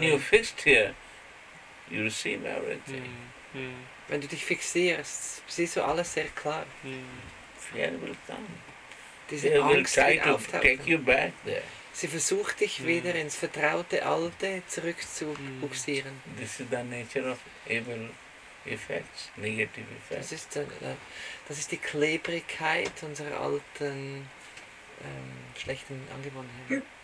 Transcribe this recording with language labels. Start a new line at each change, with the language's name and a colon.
English: When you fixed here. You receive everything.
German: Wenn du dich fixierst, siehst du alles sehr klar.
English: Fear will come.
German: Diese Angst
English: will try
German: wird
English: to take you back there.
German: Sie versucht dich wieder ins vertraute Alte zurückzubuxieren.
English: This is the nature of evil effects, negative effects.
German: Das ist die Klebrigkeit unserer alten schlechten Angewohnheiten.